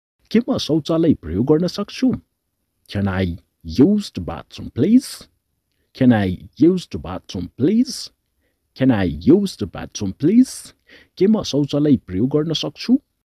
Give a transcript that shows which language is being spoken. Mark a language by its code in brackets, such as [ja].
[ne] के म शौचालय प्रयोग गर्न सक्छु? [en] Can I use the bathroom, please? Can I use the bathroom, please? Can I use the bathroom, please? [ne] के म शौचालय प्रयोग गर्न सक्छु?